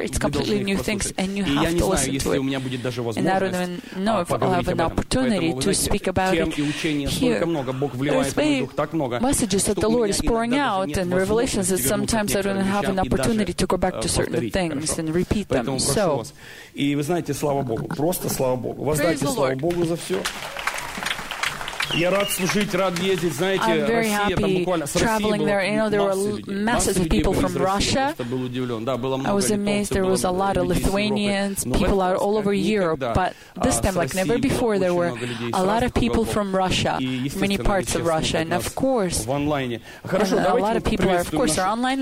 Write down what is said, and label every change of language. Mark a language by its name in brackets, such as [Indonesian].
[English] It's completely new things, and you have to listen to it. And I don't even know if I'll have an opportunity to speak about it here. There's many messages that the Lord is pouring out and revelations that sometimes I don't have an opportunity to go back to certain things and repeat them. So, [Russian] и вы знаете, слава Богу, просто слава Богу. Воздайте слава Богу за все. Я рад служить, рад ездить, знаете, [English] I'm very [Russian] Россия, [English] happy traveling there. You know, there were masses of people from Russia. I was amazed. There was a lot of Lithuanians, people out all over Europe. But this time, like never before, there were a lot of people from Russia, many parts of Russia. And of course, a lot of people are, of course, are online.